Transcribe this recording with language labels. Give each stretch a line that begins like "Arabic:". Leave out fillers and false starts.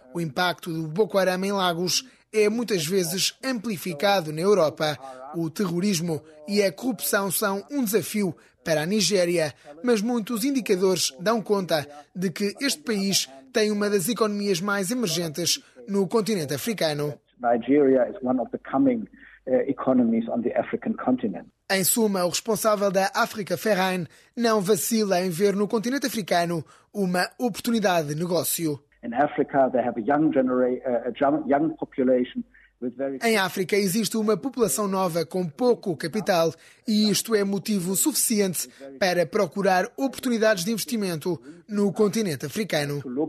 Portuguese: O impacto do Boko Haram em Lagos é muitas vezes amplificado na Europa. O terrorismo e a corrupção são um desafio para a Nigéria, mas muitos indicadores dão conta de que este país tem uma das economias mais emergentes no continente africano.
English: Nigeria is one of the coming economies on the African continent.
Portuguese: Em suma, o responsável da Africa Verein não vacila em ver no continente africano uma oportunidade de negócio.
English: In Africa, they have a young population.
Portuguese: Em África existe uma população nova com pouco capital e isto é motivo suficiente para procurar oportunidades de investimento no continente africano.